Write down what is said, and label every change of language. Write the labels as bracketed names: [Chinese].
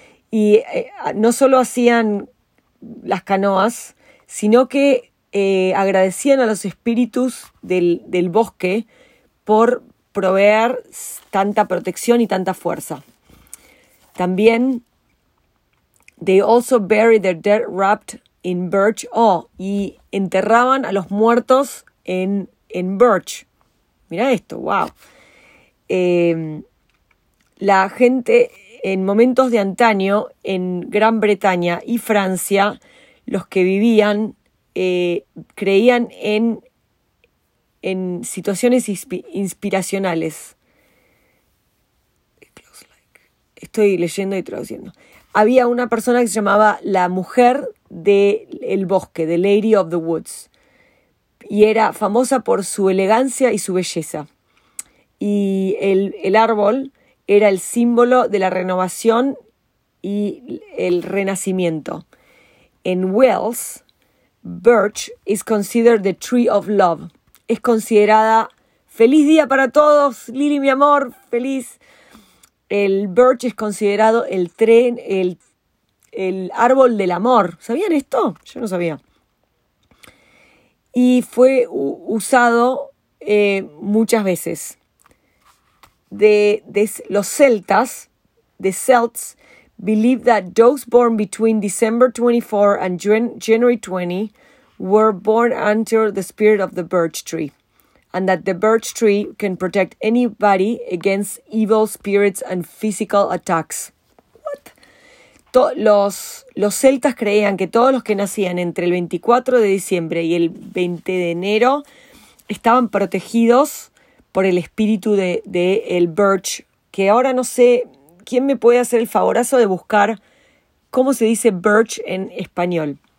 [Spanish] Y no solo hacían las canoas, sino que agradecían a los espíritus del bosque por proveer tanta protección y tanta fuerza. También, [English] they also bury their dead wrapped in birch. [Spanish] Oh, y enterraban a los muertos en birch. Mira esto, wow. La gente en momentos de antaño en Gran Bretaña y Francia, los que vivían creían en situaciones inspiracionales. Estoy leyendo y traduciendo. Había una persona que se llamaba la mujer del bosque, [English] the Lady of the Woods, [Spanish] y era famosa por su elegancia y su belleza. Y el árbol era el símbolo de la renovación y el renacimiento. En [English] Wales, birch is considered the tree of love. [Spanish] Es considerada... ¡Feliz día para todos! ¡Lili, mi amor! ¡Feliz! El birch es considerado el árbol del amor. ¿Sabían esto? Yo no sabía. Y fue usado muchas veces. Los celtas, [English] the Celts, believe that those born between December 24 and January 20... were born under the spirit of the birch tree, and that the birch tree can protect anybody against evil spirits and physical attacks. What? [Spanish] Los celtas creían que todos los que nacían entre el 24 de diciembre y el 20 de enero estaban protegidos por el espíritu de el birch, que ahora no sé quién me puede hacer el favorazo de buscar cómo se dice birch en español.